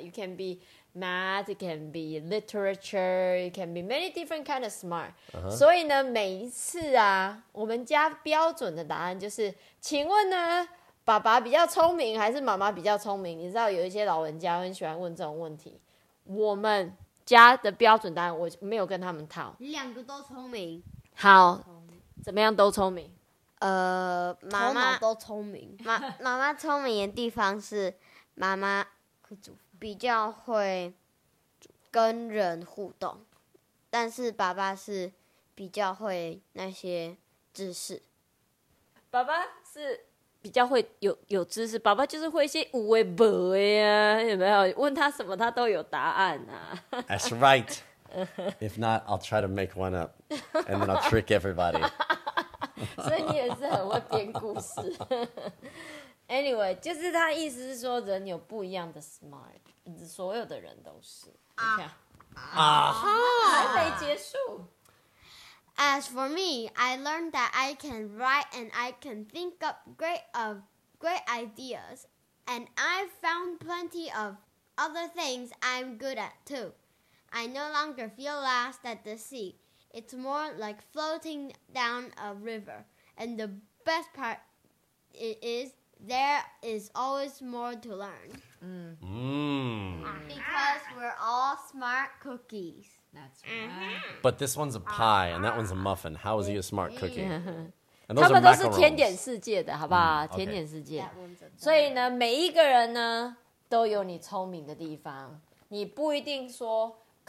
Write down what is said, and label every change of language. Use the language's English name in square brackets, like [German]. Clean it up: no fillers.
[English] You can be math, you can be literature, you can be many different kind of smart. Uh-huh. [Chinese] 所以呢,每一次啊,我们家标准的答案就是,请问呢, 爸爸比较聪明还是妈妈比较聪明? 你知道有一些老人家很喜欢问这种问题.我们家的标准答案,我没有跟他们套. 两个都聪明。好, 怎么样都聪明? 头脑都聪明。妈妈聪明的地方是, 妈妈比较会跟人互动, 但是爸爸是比较会那些知识。爸爸是比较会有知识, 爸爸就是会一些有的没的啊, 有没有? 问他什么他都有答案啊。 [English] That's right. If not, I'll try to make one up, and then I'll trick everybody. So you 也是很会编故事. Anyway, 就是他意思是说，人有不一样的 smart， 所有的人都是. [Chinese] Okay.还没结束. [English] As for me, I learned that I can write and I can think up great ideas, and I found plenty of other things I'm good at too. I no longer feel lost at the sea. It's more like floating down a river. And the best part is there is always more to learn. Mm. Mm. Because we're all smart cookies. That's right. But this one's a pie and that one's a muffin. How is he a smart cookie? And those are macarons. [Chinese] 他们都是甜点世界的,好不好?甜点世界。所以呢,每一个人呢,都有你聪明的地方。你不一定说...